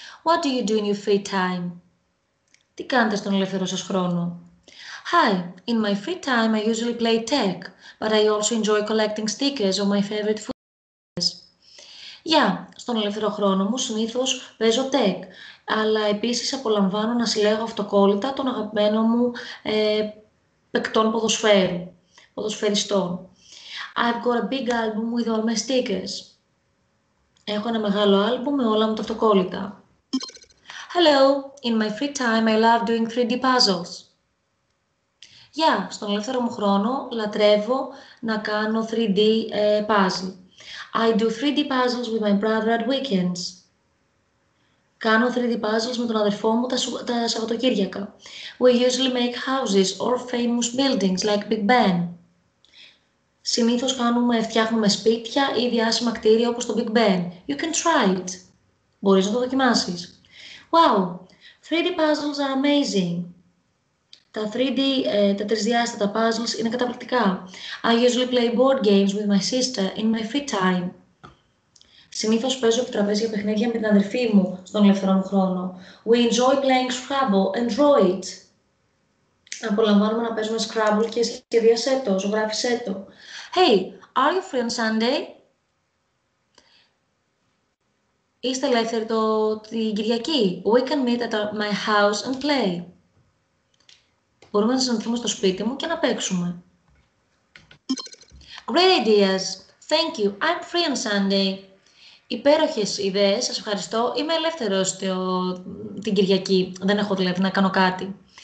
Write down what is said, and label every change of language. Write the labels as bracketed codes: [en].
[en] What do you do in your free time? [el] Τι κάνετε στον ελεύθερο σας χρόνο? [en] Hi, in my free time I usually play tag, but I also enjoy collecting stickers of my favorite food. [el] Yeah, στον ελεύθερο χρόνο μου συνήθως παίζω tag, αλλά επίσης απολαμβάνω να συλλέγω αυτοκόλλητα των αγαπημένων μου παικτών ποδοσφαίρου, ποδοσφαιριστών. [en] I've got a big album with all my stickers. [el] Έχω ένα μεγάλο άλμπουμ με όλα μου τα αυτοκόλλητα. [en] Hello, in my free time I love doing 3D puzzles. [el] Γεια, yeah, στον ελεύθερο μου χρόνο λατρεύω να κάνω 3D puzzle. [en] I do 3D puzzles with my brother at weekends. [el] Κάνω 3D puzzles με τον αδερφό μου τα Σαββατοκύριακα. [en] We usually make houses or famous buildings like Big Ben. [el] Συνήθως φτιάχνουμε σπίτια ή διάσημα κτίρια όπως το Big Ben. [en] You can try it. [el] Μπορείς να το δοκιμάσεις. [en] Wow, 3D puzzles are amazing. [el] Τα 3D, τα τρισδιάστατα puzzles είναι καταπληκτικά. [en] I usually play board games with my sister in my free time. [el] Συνήθως παίζω επιτραπέζια παιχνίδια με την αδερφή μου στον ελεύθερο μου χρόνο. [en] We enjoy playing Scrabble and draw it. [el] Απολαμβάνουμε να παίζουμε Scrabble και σχεδίασέ το, ζωγράφισέ το. [en] Hey, are you free on Sunday? [el] Είστε ελεύθεροι την Κυριακή. [en] We can meet at my house and play. [el] Μπορούμε να συναντηθούμε στο σπίτι μου και να παίξουμε. [en] Great ideas. Thank you. I'm free on Sunday. [el] Υπέροχες ιδέες. Σας ευχαριστώ. Είμαι ελεύθερος την Κυριακή. Δεν έχω δουλειά να κάνω κάτι.